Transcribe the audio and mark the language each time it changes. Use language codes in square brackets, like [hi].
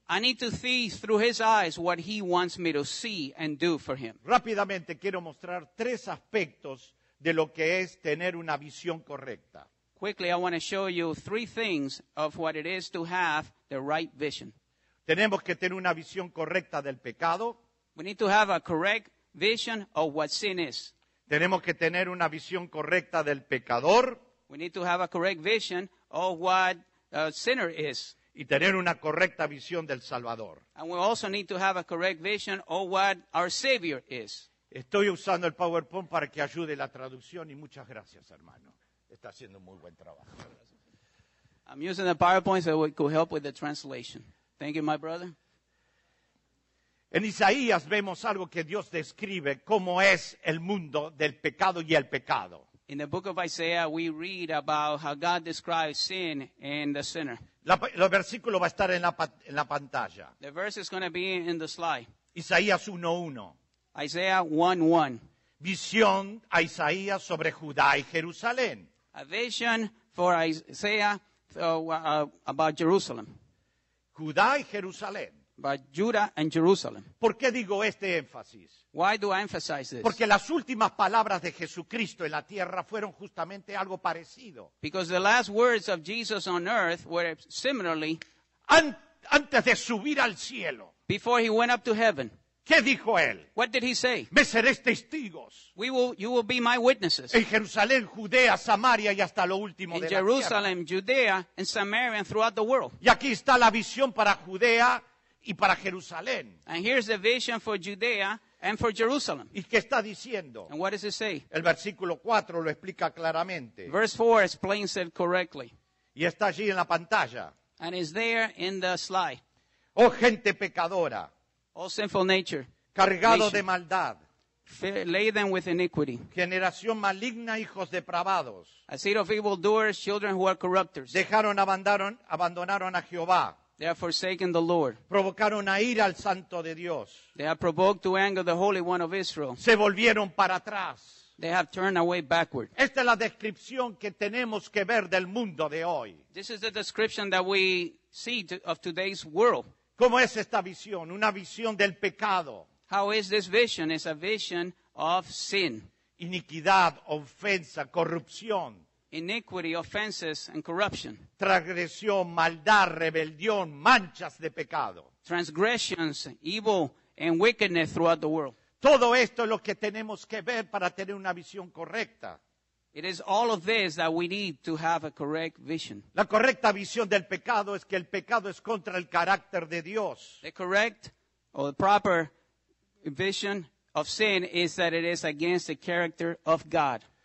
[en] I need to see through his eyes what he wants me to see and do for him. [es] Rápidamente quiero mostrar tres aspectos de lo que es tener una visión correcta. [en] Quickly, I want to show you three things of what it is to have the right vision. [es] Tenemos que tener una visión correcta del pecado. [en] We need to have a correct vision of what sin is. [es] Tenemos que tener una visión correcta del pecador. [en] We need to have a correct vision of what a sinner is. [es] Y tener una correcta visión del Salvador. [en] And we also need to have a correct vision of what our Savior is. [es] Estoy usando el PowerPoint para que ayude la traducción y muchas gracias, hermano. Está haciendo muy buen trabajo. [en] I'm using the PowerPoint so it could help with the translation. Thank you, my brother. [es] En Isaías vemos algo que Dios describe cómo es el mundo del pecado y el pecado. [en] In the book of Isaiah we read about how God describes sin and the sinner. [es] El versículo va a estar en la pantalla. [en] The verse is going to be in the slide. [es] Isaías 1:1. [en] Isaiah 1:1. [es] Visión a Isaías sobre Judá y Jerusalén. [en] A vision for Isaiah about Jerusalem. [es] Judá y Jerusalén. [en] But Judah and Jerusalem. [es] ¿Por qué digo este énfasis? [en] Why do I emphasize this? [es] Porque las últimas palabras de Jesucristo en la tierra fueron justamente algo parecido. [en] Because the last words of Jesus on earth were similarly. [es] Antes de subir al cielo. [en] Before he went up to heaven. [es] ¿Qué dijo él? [en] What did he say? [es] Me seréis testigos. [en] You will be my witnesses. [es] En Jerusalén, Judea, Samaria y hasta lo último [en] in [es] de [en] Jerusalem, [es] la tierra. [en] In Jerusalem, Judea and Samaria and throughout the world. [es] Y aquí está la visión para Judea. Y para Jerusalén. [en] And here's the vision for Judea and for Jerusalem. [es] ¿Y qué está diciendo? [en] And what does it say? [es] El versículo 4 lo explica claramente. [en] Verse 4 explains it correctly. [es] Y está allí en la pantalla. [en] And it's there in the slide. [es] Oh, gente pecadora. [en] All sinful nature. [es] Cargado [en] nation. [es] De maldad. [en] Laden with iniquity. [es] Generación maligna, hijos depravados. [en] A seed of evildoers, children who are corruptors. [es] Dejaron, abandonaron a Jehová. [en] They have forsaken the Lord. [es] Provocaron a ira al Santo de Dios. [en] They have provoked to anger the Holy One of Israel. [es] Se volvieron para atrás. [en] They have turned away backward. [es] Esta es la descripción que tenemos que ver del mundo de hoy. [en] This is the description that we see of today's world. [es] ¿Cómo es esta visión? Una visión del pecado. [en] How is this vision? It's a vision of sin. [es] Iniquidad, ofensa, corrupción. [en] Iniquity, offenses, and corruption. [es] Transgresión, maldad, rebelión, manchas de pecado. [en] Transgressions, evil, and wickedness throughout the world. [es] Todo esto es lo que tenemos que ver para tener una visión correcta. [en] It is all of this that we need to have a correct vision. [es] La correcta visión del pecado es que el pecado es contra el carácter de Dios. [en] The correct or the proper vision of sin is that it is against the character of God.